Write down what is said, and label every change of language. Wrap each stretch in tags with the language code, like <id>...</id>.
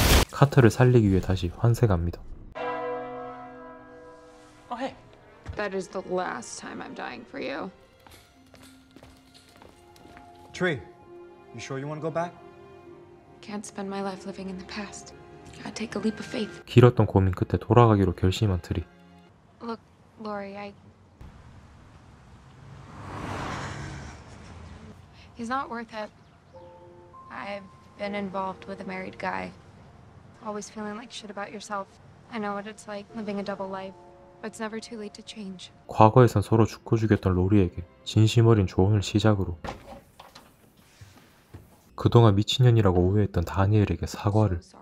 <ko>카터를 살리기 위해 다시 환생합니다.</ko> <en>Oh, hey. That is the last time I'm dying for you. Tree, you sure you want to go back? Can't spend my life living in the past. I take a leap of faith.</en> <ko>길었던 고민 끝에 돌아가기로 결심한 트리.</ko> <en>Look, Lori, I. He's not worth it. I've been involved with a married guy. Always feeling like shit about yourself. I know what it's like living a double life. But it's never too late to change.</en> <ko>과거에선 서로 죽고 죽였던 로리에게 진심 어린 조언을 시작으로. 그동안 미친년이라고 오해했던 다니엘에게 사과를.</ko>